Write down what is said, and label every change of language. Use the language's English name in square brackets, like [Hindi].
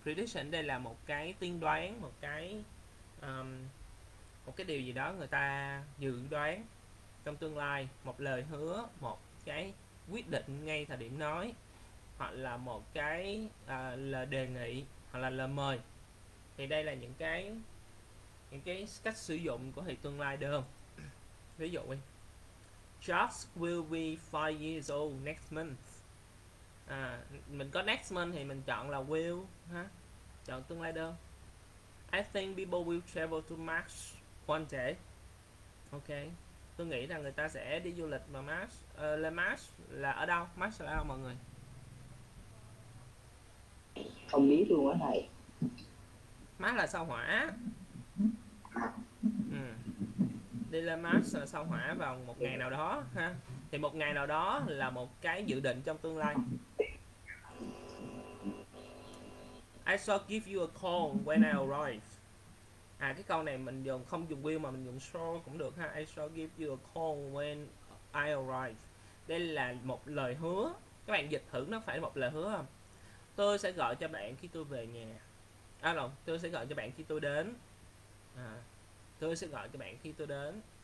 [Vietnamese] Prediction đây là một cái tiên đoán, một cái điều gì đó người ta dự đoán trong tương lai, một lời hứa, một cái quyết định ngay thời điểm nói, hoặc là một cái là đề nghị hoặc là lời mời. Thì đây là những cái cách sử dụng của thì tương lai đơn. Ví dụ đi. [English] Josh will be 5 years old next month. [Vietnamese] À, mình có next month thì mình chọn là will ha. Chọn tương lai đơn. [English] I think people will travel to Mars one day. Ok. [Vietnamese] Tôi nghĩ là người ta sẽ đi du lịch vào Mars. Lên Mars là ở đâu? Mars là ở đâu mọi người? Không biết luôn á thầy. Mars là sao Hỏa. Đi lên Mars là sao Hỏa vào một ngày nào đó ha. Thì một ngày nào đó là một cái dự định trong tương lai. [English] I shall give you a call when I arrive. [Vietnamese] À, cái câu này mình dùng không dùng will mà mình dùng shall cũng được ha. [English] I shall give you a call when I arrive. [Vietnamese] Đây là một lời hứa. Các bạn dịch thử nó phải một lời hứa không? Tôi sẽ gọi cho bạn khi tôi về nhà. À, không, tôi sẽ gọi cho bạn khi tôi đến. À, tôi sẽ gọi cho bạn khi tôi đến.